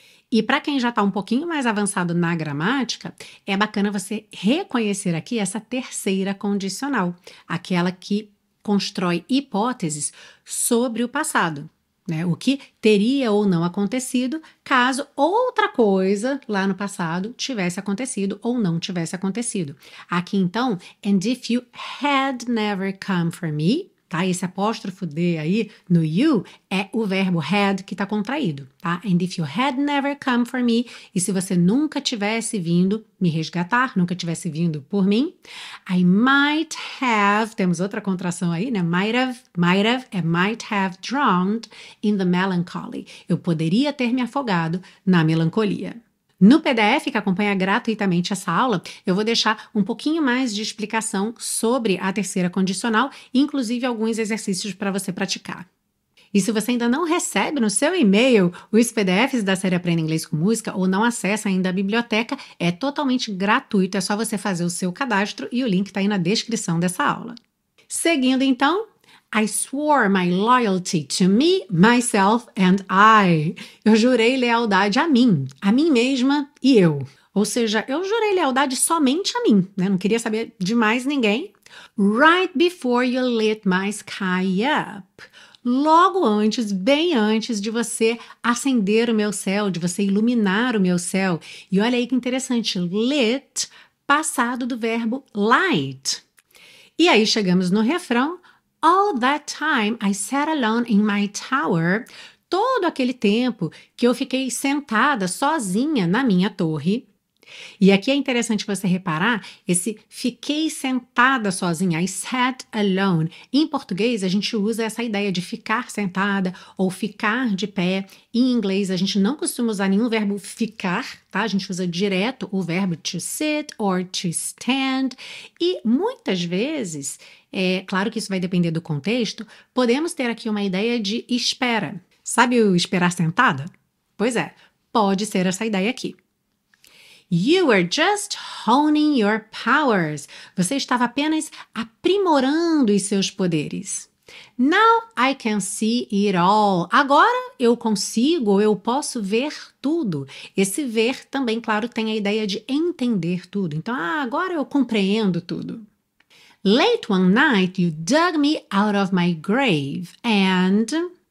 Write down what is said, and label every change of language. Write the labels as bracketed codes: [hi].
[pt] E para quem já está um pouquinho mais avançado na gramática, é bacana você reconhecer aqui essa terceira condicional, aquela que constrói hipóteses sobre o passado, né? O que teria ou não acontecido caso outra coisa lá no passado tivesse acontecido ou não tivesse acontecido. Aqui então, [en] and if you had never come for me, [pt] tá? Esse apóstrofo D aí no you é o verbo had que está contraído, tá? [en] And if you had never come for me, [pt] e se você nunca tivesse vindo me resgatar, nunca tivesse vindo por mim, [en] I might have, [pt] temos outra contração aí, né? [en] Might have é might have drowned in the melancholy. [pt] Eu poderia ter me afogado na melancolia. No PDF, que acompanha gratuitamente essa aula, eu vou deixar um pouquinho mais de explicação sobre a terceira condicional, inclusive alguns exercícios para você praticar. E se você ainda não recebe no seu e-mail os PDFs da série Aprenda Inglês com Música ou não acessa ainda a biblioteca, é totalmente gratuito, é só você fazer o seu cadastro e o link está aí na descrição dessa aula. Seguindo então, [en] I swore my loyalty to me, myself, and I. [pt] Eu jurei lealdade a mim mesma e eu. Ou seja, eu jurei lealdade somente a mim, né? Não queria saber de mais ninguém. [en] Right before you lit my sky up. [pt] Logo antes, bem antes de você acender o meu céu, de você iluminar o meu céu. E olha aí que interessante, lit, passado do verbo light. E aí chegamos no refrão. [en] All that time I sat alone in my tower, [pt] todo aquele tempo que eu fiquei sentada sozinha na minha torre. E aqui é interessante você reparar esse fiquei sentada sozinha, [en] I sat alone. [pt] Em português, a gente usa essa ideia de ficar sentada ou ficar de pé. Em inglês, a gente não costuma usar nenhum verbo ficar, tá? A gente usa direto o verbo [en] to sit or to stand. [pt] E muitas vezes, é claro que isso vai depender do contexto, podemos ter aqui uma ideia de espera. Sabe o esperar sentada? Pois é, pode ser essa ideia aqui. [en] You were just honing your powers. [pt] Você estava apenas aprimorando os seus poderes. [en] Now I can see it all. [pt] Agora eu consigo, eu posso ver tudo. Esse ver também, claro, tem a ideia de entender tudo. Então, agora eu compreendo tudo. [en] Late one night you dug me out of my grave and...